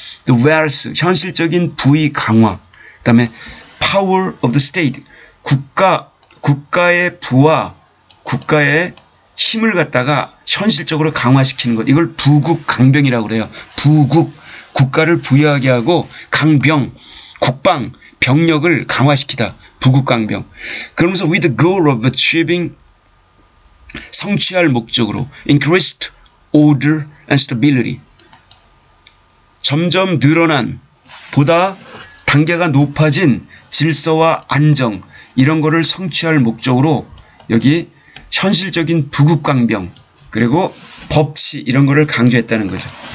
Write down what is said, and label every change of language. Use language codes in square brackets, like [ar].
[ko] The wealth, 현실적인 부의 강화. 그다음에 power of the state, 국가의 부와 국가의 힘을 갖다가 현실적으로 강화시키는 것. 이걸 부국 강병이라고 그래요. 부국 국가를 부유하게 하고 강병 국방 병력을 강화시키다. 부국 강병. 그러면서 [en] with the goal of achieving [ko] 성취할 목적으로 [en] increased order and stability. [ko] 점점 늘어난 보다 단계가 높아진 질서와 안정 이런 거를 성취할 목적으로 여기 현실적인 부국강병 그리고 법치 이런 거를 강조했다는 거죠.